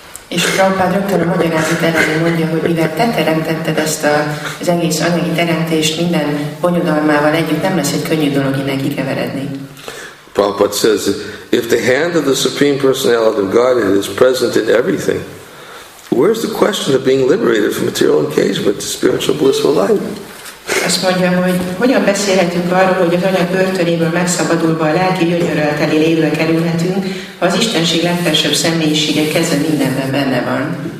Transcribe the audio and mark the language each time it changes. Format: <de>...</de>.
<hu>És Prabhupád rögtön a magyarázat elején mondja, hogy mivel te teremtetted ezt az egész anyagi teremtést minden bonyodalmával együtt, nem lesz egy könnyű dolog innen kikeveredni.</hu> <en>Prabhupád says, if the hand of the Supreme Personality of Godhead is present in everything, where's the question of being liberated from material engagement to spiritual blissful life?</en> <hu>Azt mondja, hogy hogyan beszélhetünk arról, hogy az anyag börtönéből megszabadulva a lelki gyönyörrel teli lévőre kerülhetünk, ha az Istenség legfelsőbb személyisége keze mindenben benne van.</hu>